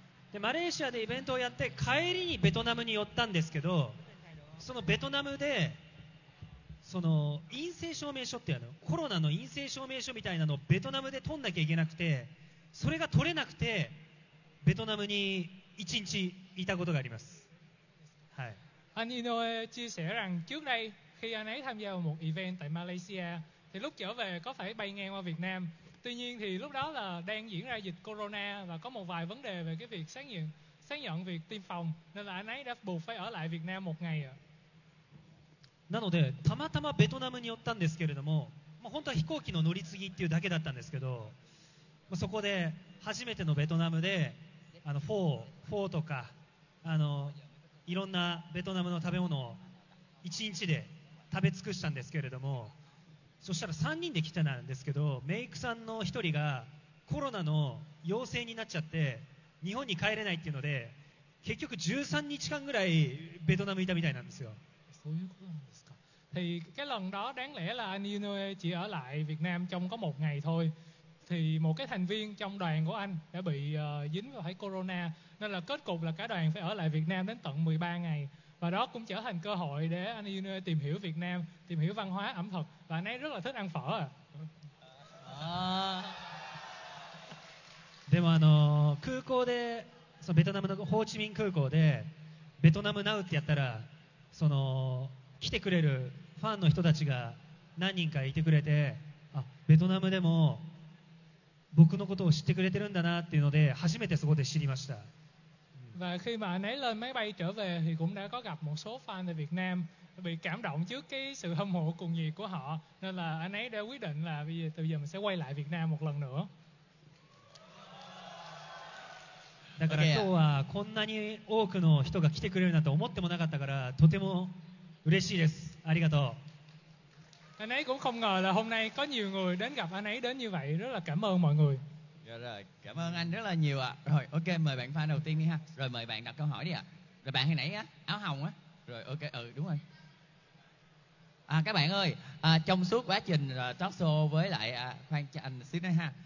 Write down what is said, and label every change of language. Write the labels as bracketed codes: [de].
[ja] でマレーシアでイベントをやって帰りにベトナムに寄ったんですけど、そのベトナムでその陰性証明書っていうのコロナの陰性証明書みたいなのをベトナムで取んなきゃいけなくて、それが取れなくてベトナムに1日いたことがあります。はい。安妮の知識は今日 [vi] khi anh ấy tham gia vào một event tại Malaysia thì lúc trở về có phải bay ngang qua Việt Nam. Tuy nhiên thì lúc đó là đang diễn ra dịch Corona và có một vài vấn đề về cái việc xác nhận việc tiêm phòng nên là anh ấy đã buộc phải ở lại Việt Nam một ngày. [ja] なのでたまたまベトナムに寄ったんですけれども、まあ、本当は飛行機の乗り継ぎっていうだけだったんですけど、まあ、そこで初めてのベトナムで、あのフォーとかあのいろんなベトナムの食べ物を一日で食べ尽くしたんですけれども、そしたら3人で来てたんですけど、メイクさんの1人がコロナの陽性になっちゃって日本に帰れないっていうので、結局13日間ぐらいベトナムいたみたいなんですよ。そういうことなんですか。 [vi] thì cái lần đó đáng lẽ là anh Inoue chỉ ở lại Việt Nam trong có một ngày thôi thì một cái thành viên trong đoàn của anh đã bị dính vào phải corona nên là kết cục là cả đoàn phải ở lại Việt Nam đến tận 13 ngày và đó cũng trở thành cơ hội để anh Inoue tìm hiểu Việt Nam, tìm hiểu văn hóa ẩm thực và anh ấy rất là thích ăn phở. [ja] でもあの空港でそのベトナムのホーチミン空港でベトナムナウってやったら、その来てくれるファンの人たちが何人かいてくれて、あベトナムでも僕のことを知ってくれてるんだなっていうので初めてそこで知りました。 [vi] và khi mà anh ấy lên máy bay trở về thì cũng đã có gặp một số fan ở Việt Nam bị cảm động trước cái sự hâm mộ cuồng nhiệt của họ nên là anh ấy đã quyết định là bây giờ từ giờ mình sẽ quay lại Việt Nam một lần nữa. [ja] だから今日はこんなに多くの人が来てくれるなんて思ってもなかったからとても嬉しいです。ありがとう。 [vi] Anh ấy cũng không ngờ là hôm nay có nhiều người đến gặp anh ấy đến như vậy, rất là cảm ơn mọi người. Rồi, cảm ơn anh rất là nhiều ạ. Rồi, ok, mời bạn fan đầu tiên đi ha. Rồi, mời bạn đặt câu hỏi đi ạ. Rồi, bạn hồi nãy á, áo hồng á. Rồi, ok, ừ, đúng rồi. À, các bạn ơi, à, trong suốt quá trình talk show với lại, à, khoan cho anh xíu nữa ha.